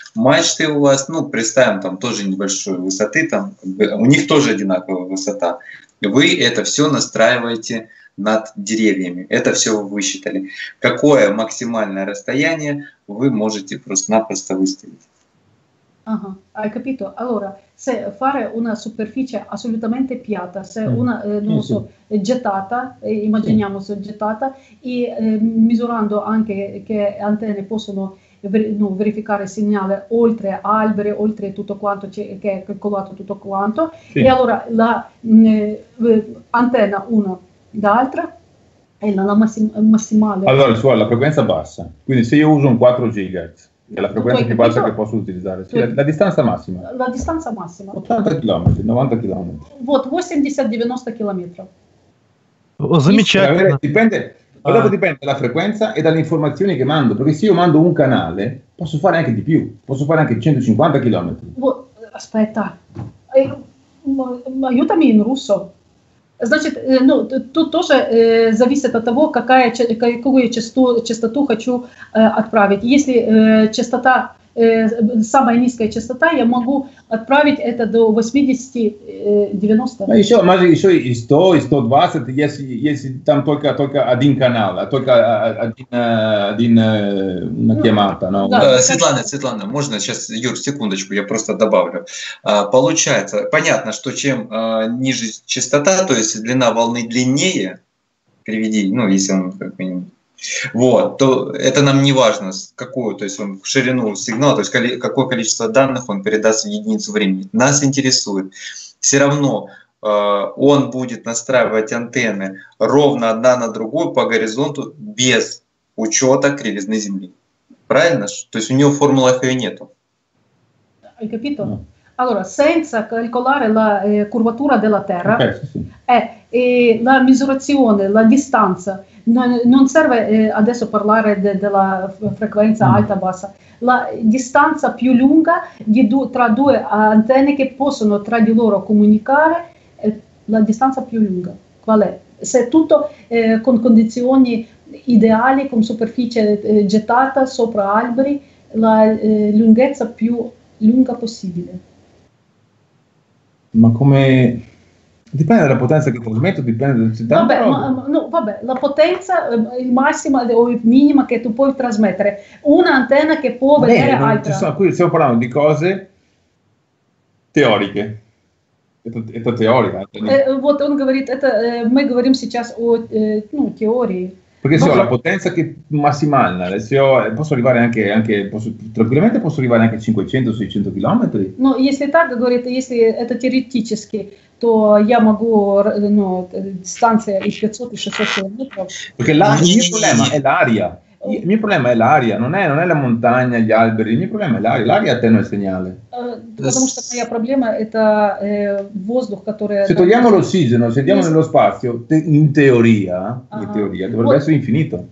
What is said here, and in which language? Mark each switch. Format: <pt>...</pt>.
<ru>Мачты у вас, ну, представим, там тоже небольшой высоты, там, у них тоже одинаковая высота, вы это все настраиваете над деревьями. Это все вы высчитали. Какое максимальное расстояние вы можете просто-напросто выставить?</ru> <it>Ага, hai capito. Allora, se fare una superficie assolutamente piatta, se una, non lo so, gettata, immaginiamo se gettata, e misurando anche che antenne possono verificare segnale oltre alberi, oltre tutto quanto che è calcolato tutto quanto, e allora la antenna 1 d'altra è la massimale. Allora, su la frequenza bassa. Quindi se io uso un 4 GHz, è la frequenza più bassa che posso utilizzare. Sì, la distanza massima. La distanza massima. 80 km, 90 km.</it> <ru>Вот 80-90 км. Замечательно.</ru> <it>Dipende. Allora dipende dalla frequenza e dalle informazioni che mando, perché se io mando un canale, posso fare anche di più, posso fare anche 150 km. Aspetta. Aiutami in russo.</it> <ru>Значит, ну, тут тоже зависит от того, какую частоту хочу отправить. Если частота самая низкая частота, я могу отправить это до 80-90. А еще, может, еще и 100, и 120, если там только один канал, а только один накемат. Ну, да. Светлана, можно сейчас, Юр, секундочку, я просто добавлю. Получается, понятно, что чем ниже частота, то есть длина волны длиннее, переведи, ну, если он как минимум, вот, то это нам не важно, какую, то есть он в ширину сигнала, то есть какое количество данных он передаст в единицу времени. Нас интересует, все равно он будет настраивать антенны ровно одна на другую по горизонту без учета кривизны Земли. Правильно? То есть у него формулы ее нету.</ru> <it>Allora, senza calcolare la curvatura della Terra, e la misurazione, la distanza, non serve adesso parlare della frequenza alta-bassa, la distanza più lunga tra due antenne che possono tra di loro comunicare, la distanza più lunga, qual è? Se tutto con condizioni ideali, con superficie gettata sopra alberi, la lunghezza più lunga possibile. Ma come dipende dalla potenza che trasmetto, dipende dal città. Vabbè, la potenza il massimo o il minimo che tu puoi trasmettere. Una antenna che può vedere altra. Ci sono, qui stiamo parlando di cose teoriche.</it> <ru>Это теория. Вот он говорит, это мы говорим сейчас о теории.</ru> <it>Perché se ho la potenza che massimale, se ho, posso arrivare anche, tranquillamente posso arrivare anche a 500-600 km.</it> <ru>No, если так, говорит, если это теоретически, то я могу, ну, дистанция и 500-600 км.</ru> <it>Perché il mio problema è l'aria. Il mio problema è l'aria, non è la montagna, gli alberi, il mio problema è l'aria. L'aria attenua il segnale.</it> <ru>Потому что моя проблема это воздух, который.</ru> <it>Se togliamo l'ossigeno, se andiamo nello spazio, in teoria, dovrebbe essere infinito.</it>